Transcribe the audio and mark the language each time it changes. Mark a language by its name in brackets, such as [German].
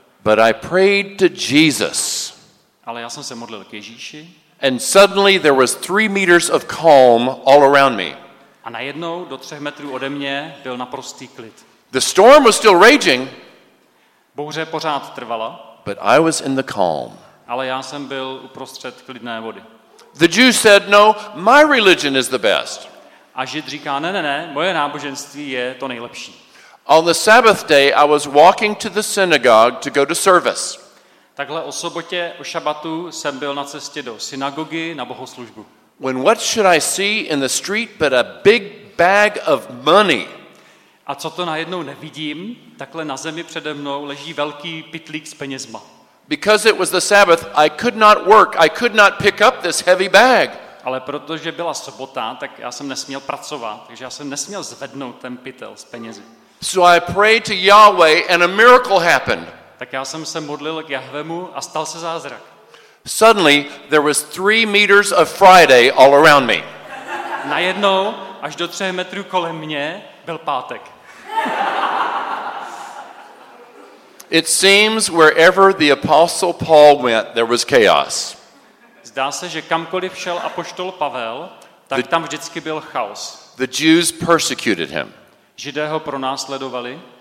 [English] But I prayed to Jesus. [Czech] Ale já jsem se modlil k Ježíši. [English] And suddenly there was 3 meters of calm all around me. [Czech] A najednou do 3 metrů ode mě byl naprostý klid. [English] The storm was still raging. [Czech] Bouře pořád trvala. [English] But I was in the calm. [Czech] Ale já jsem byl uprostřed klidné vody. [English] The Jew said, "No, my religion is the best." [Czech] A Žid říká, ne, moje náboženství je to nejlepší. [English] On the Sabbath day I was walking to the synagogue to go to service. [Czech] Takhle o sobotě, o šabatu jsem byl na cestě do synagogy na bohoslužbu. [English] When what should I see in the street but a big bag of money? [Czech] A co to najednou nevidím, takhle na zemi přede mnou leží velký pytlík s penězma. [English] Because it was the Sabbath, I could not work. I could not pick up this heavy bag. [Czech] Ale protože byla sobota, tak já jsem nesměl pracovat, takže já jsem nesměl zvednout ten pytel s penězi. [English] So I prayed to Yahweh and a miracle happened. [Czech] Tak já jsem se modlil k Jahvemu a stal se zázrak. [English] Suddenly there was 3 meters of Friday all around me. [Czech] Najednou až do 3 metrů kolem mě byl pátek. [English] It seems wherever the apostle Paul went there was chaos. [Czech] Zdá se, že kamkoliv šel apoštol Pavel, tak tam vždycky byl chaos. [English] The Jews persecuted him. [Czech] Židé ho pronásledovali.